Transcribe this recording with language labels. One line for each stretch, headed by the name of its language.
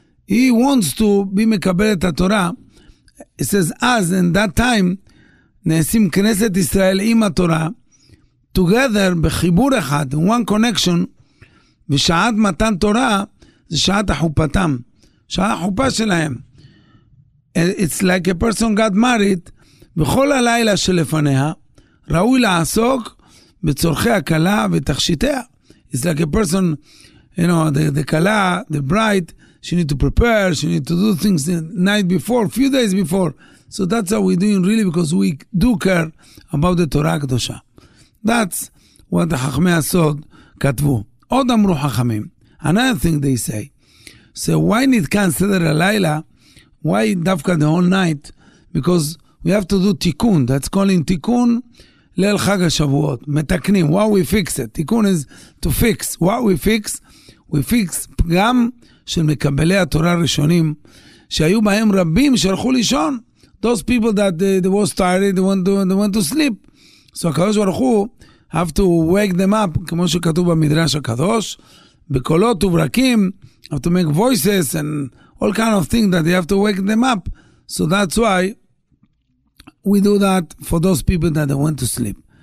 English: He wants to be
Hebrew: מקבל את התורה.
English: He says, as in that time,
Hebrew: נעשים כנסת ישראל עם התורה,
English: together
Hebrew: בחיבור אחד,
English: one connection,
Hebrew: ושעת מתן תורה, זה שעת החופתם. שעת החופה שלהם.
English: It's like a person got married,
Hebrew: בכל הלילה שלפניה, ראוי לעסוק, בצורכי הקלה ותכשיטיה.
English: It's like a person, the קלה, the bride, she need to prepare, she need to do things the night before, few days before. So that's how we're doing really, because we do care about the Torah הקדושה. That's what the
Hebrew: חכמי הסוד כתבו. עוד אמרו חכמים,
English: another thing they say, so why need
Hebrew: כאן סדר הלילה,
English: why
Hebrew: דווקא
English: the whole night? Because we have to do תיקון, that's calling תיקון,
Hebrew: ליל חג השבועות, מתקנים,
English: why we fix it?
Hebrew: תיקון
English: is to fix. Why we fix? We fix
Hebrew: גם של מקבלי התורה הראשונים, שהיו בהם רבים שהלכו לישון.
English: Those people that they were tired, they want to sleep. So הקדוש ברוך הוא, have to wake them up,
Hebrew: כמו שכתוב במדרש הקדוש, בקולות וברקים,
English: have to make voices and all kind of things that they have to wake them up. So that's why, we do that for those people that they went to sleep.